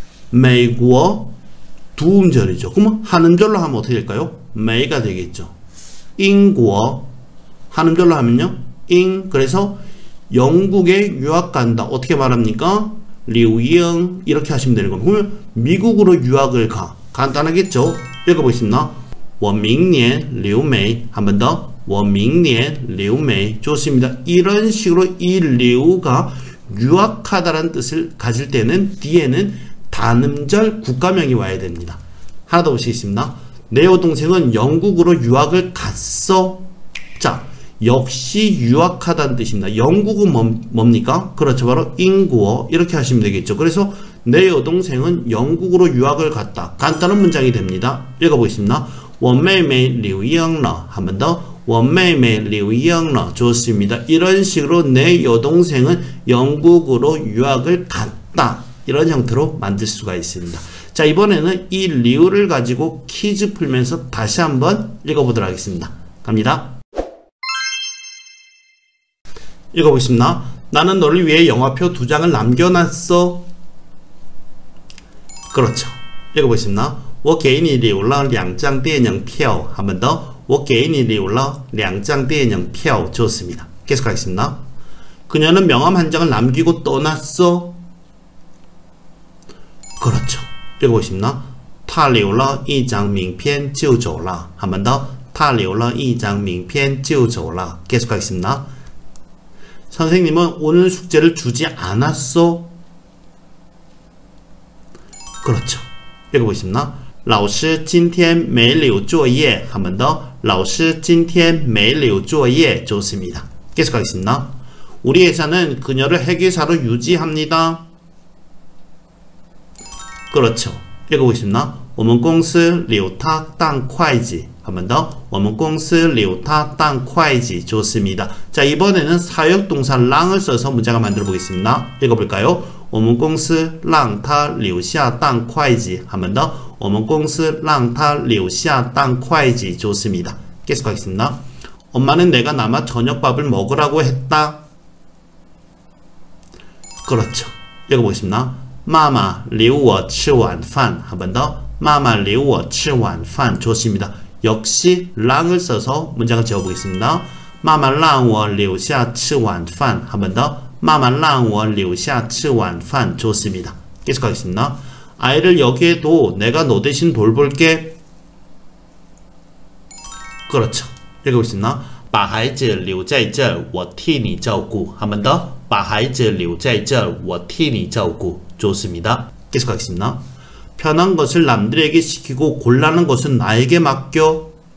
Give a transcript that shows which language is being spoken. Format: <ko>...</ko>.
<ko>美国 두음절이죠. 그럼 한음절로 하면 어떻게 될까요? 美가 되겠죠. 英国 한음절로 하면요, 英 그래서 영국에 유학 간다 어떻게 말합니까? 류잉 이렇게 하시면 되는 겁니다. 그러면 미국으로 유학을 가, 간단하겠죠. 읽어보겠습니다.</ko> <zh>我明年留美</zh> <ko>한번 더</ko> <zh>我明年留美</zh> <ko>좋습니다. 이런 식으로 이 류가 유학하다라는 뜻을 가질 때는 뒤에는 단음절 국가명이 와야 됩니다. 하나 더 보시겠습니다. 내 여동생은 영국으로 유학을 갔어. 자, 역시 유학하다는 뜻입니다. 영국은 뭡니까? 그렇죠, 바로 英国 이렇게 하시면 되겠죠. 그래서 내 여동생은 영국으로 유학을 갔다, 간단한 문장이 됩니다. 읽어보겠습니다.</ko> <zh>我妹妹留英了</zh> <ko>한번 더</ko> <zh>我妹妹留英了</zh> <ko>좋습니다. 이런 식으로 내 여동생은 영국으로 유학을 갔다 이런 형태로 만들 수가 있습니다. 자, 이번에는 이 리우를 가지고 퀴즈 풀면서 다시 한번 읽어보도록 하겠습니다. 갑니다. 읽어보겠습니다. 나는 너를 위해 영화표 두 장을 남겨놨어. 그렇죠. 읽어보겠습니다.</ko> <zh>我给你留了两张电影票</zh> <ko>한번 더</ko> <zh>我给你留了两张电影票</zh> <ko>좋습니다. 계속 하겠습니다. 그녀는 명함 한 장을 남기고 떠났어. 그렇죠. 읽어보십니다.</ko> <zh>他留了一张名片就走了</zh> <ko>한번 더</ko> <zh>他留了一张名片就走了</zh> <ko>계속 하겠습니다. 선생님은 오늘 숙제를 주지 않았어. 그렇죠. 읽어보십니다.</ko> <zh>老师今天没留作业</zh> <ko>한번 더</ko> <zh>老师今天没留作业</zh> <ko>좋습니다. 계속 하겠습니다. 우리 회사는 그녀를 회계사로 유지합니다. 그렇죠. 읽어보십니다.</ko> <zh>我们公司有他当会计.</zh> <ko>한 번 더.</ko> <zh>我们公司有他当会计.</zh> <ko>좋습니다. 자, 이번에는 사역동사 랑을 써서 문장을 만들어 보겠습니다. 읽어볼까요?</ko> <zh>我们公司让他留下当会计.</zh> <ko>한 번 더.</ko> <zh>我们公司让他留下当会计.</zh> <ko>좋습니다. 계속하겠습니다. 엄마는 내가 남아 저녁밥을 먹으라고 했다. 그렇죠. 읽어보겠습니다.</ko> <zh>妈妈留我吃晚饭.</zh> <ko>한 번 더.</ko> <zh>妈妈留我吃晚饭.</zh> <ko>좋습니다. 역시 랑을 써서 문장을 지어보겠습니다.</ko> <zh>妈妈让我留下吃晚饭.</zh> <ko>한 번 더.</ko> <zh>妈妈让我留下吃晚饭.</zh> <ko>좋습니다. 계속하겠습니다. 아이를 여기에도 내가 너 대신 돌볼게. 그렇죠. 읽어보겠습니다.</ko> <zh>把孩子留在这儿我替你照顾.</zh> <ko>한 번 더.</ko> <zh>把孩子留在这儿我替你照顾.</zh> <ko>좋습니다. 계속하겠습니다. 편한 것을 남들에게 시키고 곤란한 것은 나에게 맡겨.</ko>